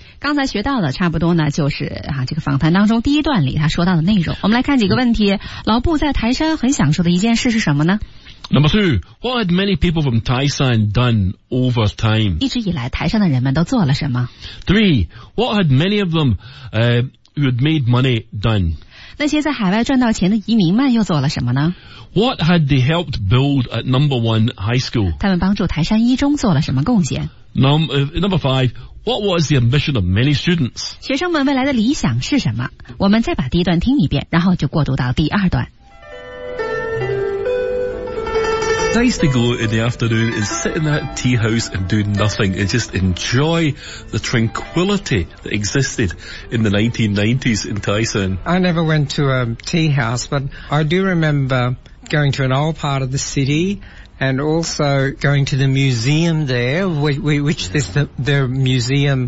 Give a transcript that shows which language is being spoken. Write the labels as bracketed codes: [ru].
[zh] 刚才学到的差不多呢，就是啊，这个访谈当中第一段里他说到的内容。我们来看几个问题。老布在台山很享受的一件事是什么呢？ [en] Number two, what had many people from Taishan done over time? [zh] 一直以来台上的人们都做了什么？ [en] Three, what had many of them, who had made money done? [zh] 那些在海外赚到钱的移民们又做了什么呢？ [en] What had they helped build at number one high school? [zh] 他们帮助台山一中做了什么贡献？ [en] Number five, what was the ambition of many students? [zh] 学生们未来的理想是什么？我们再把第一段听一遍，然后就过渡到第二段。 [en] Nice to go in the afternoon and sit in that tea house and do nothing and just enjoy the tranquility that existed in the 1990s in Taishan. I never went to a tea house, but I do remember going to an old part of the city and also going to the museum there, which is their museum.